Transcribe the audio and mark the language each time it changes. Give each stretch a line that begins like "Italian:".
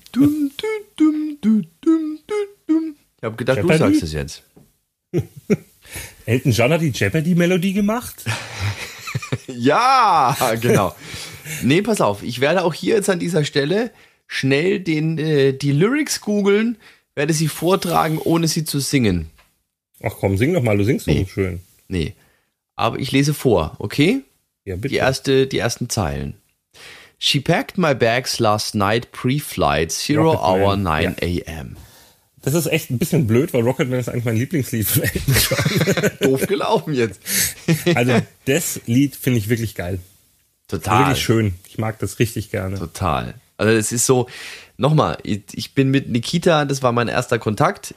German: Dum, dum, dum, dum, dum, dum, dum. Ich habe gedacht, Jeopardy? Du sagst es jetzt. Elton John hat die Jeopardy-Melodie gemacht? Ja, genau. Nee, pass auf, ich werde auch hier jetzt an dieser Stelle schnell die Lyrics googeln, werde sie vortragen, ohne sie zu singen. Ach komm, sing doch mal, du singst doch so schön. Nee, aber ich lese vor, okay? Ja, bitte. Die ersten Zeilen.
English: She packed my bags last night pre-flight, 9 a.m.
German: Das ist echt ein bisschen blöd, weil Rocketman ist eigentlich mein Lieblingslied. Doof gelaufen jetzt. Also das Lied finde ich wirklich geil. Total. Wirklich schön. Ich mag das richtig gerne. Total. Also es ist so, nochmal, ich bin mit Nikita, das war mein erster Kontakt.